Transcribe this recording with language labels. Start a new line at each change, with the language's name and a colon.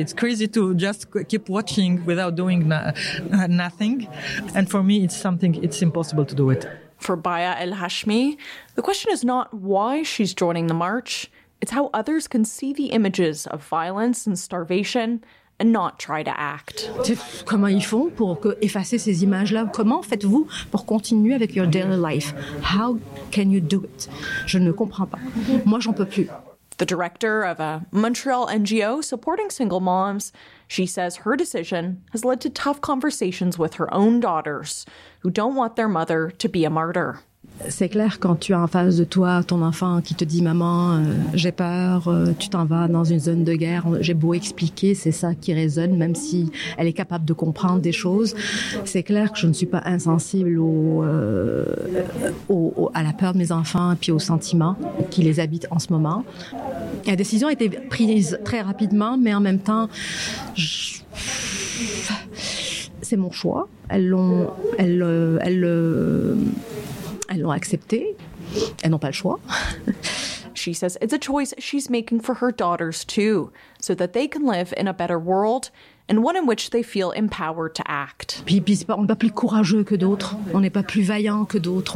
English: It's crazy to just keep watching without doing nothing. And for me, it's impossible to do it. For Baya El Hashmi, the question is not why she's joining the march, it's how others can see the images of violence and starvation and not try to act.
French: Comment ils font pour effacer ces images-là? Comment faites-vous pour continuer avec
English: your daily life? How can you do it?
French: Je ne comprends pas. Moi, j'en peux plus.
English: The director of a Montreal NGO supporting single moms, she says her decision has led to tough conversations with her own daughters, who don't want their mother to be a martyr.
French: C'est clair, quand tu as en face de toi ton enfant qui te dit « Maman, j'ai peur, tu t'en vas dans une zone de guerre, j'ai beau expliquer, c'est ça qui résonne, même si elle est capable de comprendre des choses. » C'est clair que je ne suis pas insensible à la peur de mes enfants et puis aux sentiments qui les habitent en ce moment. La décision a été prise très rapidement, mais en même temps, c'est mon choix. Elles l'ont accepté. Elles n'ont pas le choix.
English: She says it's a choice she's making for her daughters too, so that they can live in a better world and one in which they feel empowered to act.
French: Puis on n'est pas plus courageux que d'autres. On n'est pas plus vaillant que d'autres.